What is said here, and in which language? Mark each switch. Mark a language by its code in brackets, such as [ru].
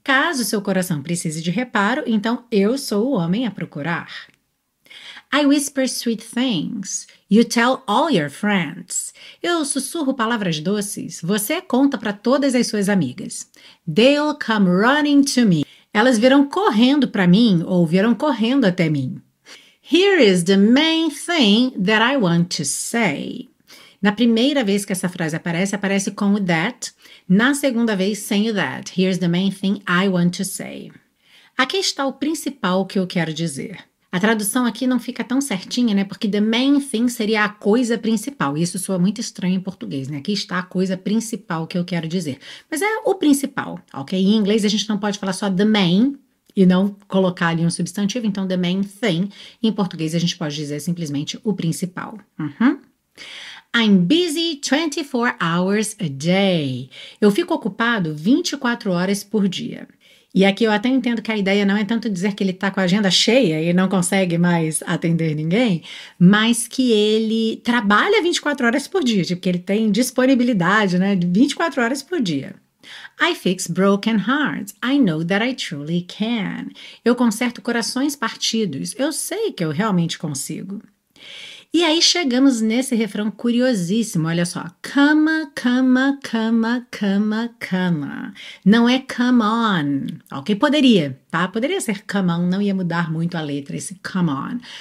[pt] Caso seu coração precise de reparo, então eu sou o homem a procurar. [en] I whisper sweet things. You tell all your friends. [pt] Eu sussurro palavras doces. Você conta para todas as suas amigas. [en] They'll come running to me. [pt] Elas virão correndo para mim ou virão correndo até mim. [en] Here is the main thing that I want to say. [pt] Na primeira vez que essa frase aparece, aparece com o that. Na segunda vez, sem o that. [en] Here's the main thing I want to say. [pt] Aqui está o principal que eu quero dizer. A tradução aqui não fica tão certinha, né? Porque the main thing seria a coisa principal. Isso soa muito estranho em português, né? Aqui está a coisa principal que eu quero dizer. Mas é o principal, ok? Em inglês a gente não pode falar só the main e não colocar ali um substantivo. Então, the main thing, em português a gente pode dizer simplesmente o principal. [en] I'm busy 24 hours a day. [pt] Eu fico ocupado 24 horas por dia. E aqui eu até entendo que a ideia não é tanto dizer que ele está com a agenda cheia e não consegue mais atender ninguém, mas que ele trabalha 24 horas por dia, tipo, que ele tem disponibilidade, né, de 24 horas por dia. [en] I fix broken hearts. I know that I truly can. [pt] Eu conserto corações partidos. Eu sei que eu realmente consigo. E aí chegamos nesse refrão curiosíssimo, olha só. [en] Come, come, come, come, come. [pt] Não é come on, ok? Poderia, tá? Poderia ser come on, não ia mudar muito a letra esse come on.